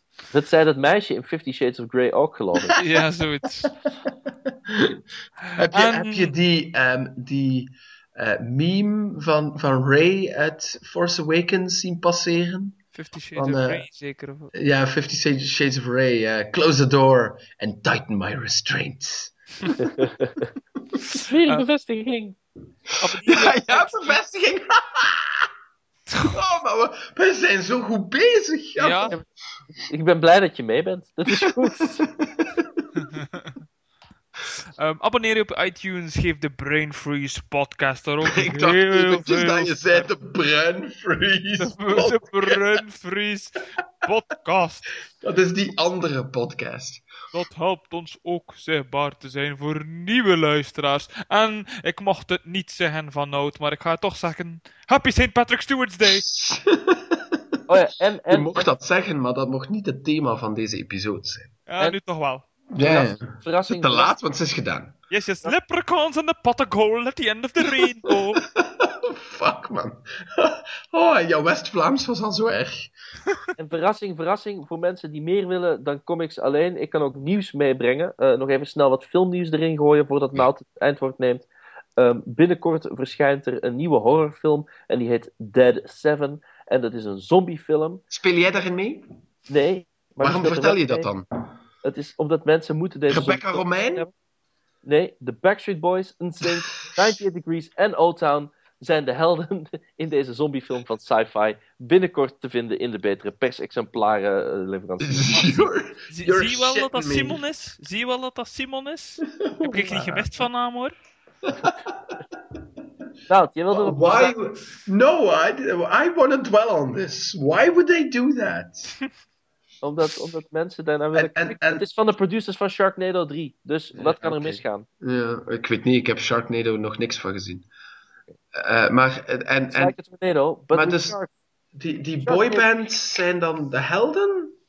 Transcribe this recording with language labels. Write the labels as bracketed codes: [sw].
[nl] Dat zei dat meisje in Fifty Shades of Grey ook, geloof ik. Ja, zoiets. heb je die, meme van Rey uit Force Awakens zien passeren? Fifty Shades of Rey, zeker. Ja, Fifty Shades of Rey. [en] Close the door and tighten my restraints. [nl] Meer bevestiging. Ja, bevestiging. Oh, maar we zijn zo goed bezig. Ja. Ja. Ik ben blij dat je mee bent. Dat is goed. abonneer je op iTunes. Geef de Brain Freeze podcast daar ook. Ik dacht eventjes dat je zei de Brain Freeze podcast. De Brain Freeze podcast. Dat is die andere podcast. Dat helpt ons ook zichtbaar te zijn voor nieuwe luisteraars. En ik mocht het niet zeggen van nood, maar ik ga het toch zeggen. [en] Happy St. Patrick Stewart's Day! [nl] Oh ja, en, je mocht dat zeggen, maar dat mocht niet het thema van deze episode zijn. Ja, en, nu toch wel. Ja, verrassing. Het is te laat, want het is gedaan. [en] Yes, yes, leprechauns and the pot of gold at the end of the rainbow. Fuck, man. [nl] Oh, jouw West-Vlaams was al zo erg. En verrassing, verrassing, voor mensen die meer willen dan comics alleen. Ik kan ook nieuws meebrengen. Nog even snel wat filmnieuws erin gooien voordat Maalt het eindwoord neemt. Binnenkort verschijnt er een nieuwe horrorfilm en die heet Dead Seven. En dat is een zombiefilm. Speel jij daarin mee? Nee. Maar waarom vertel je dat dan? Het is omdat mensen moeten deze... Rebecca Romijn? Nee, The Backstreet Boys, NSYNC, 98 Degrees en O-Town zijn de helden in deze zombiefilm van sci-fi. Binnenkort te vinden in de betere persexemplaren leverancier. Zie je wel dat dat Simon is? Zie je wel dat dat Simon is? Heb ik niet gemist van naam, hoor? Nou, je wilde... [en] Why? No, I want to dwell on this. Why would they do that? [nl] Omdat mensen daarna willen... Het is van de producers van Sharknado 3. Dus wat kan er misgaan? Ja, ik weet niet. Ik heb Sharknado nog niks van gezien. Maar... Sharknado, [en] but [nl] maar dus shark. Die boybands zijn dan de helden?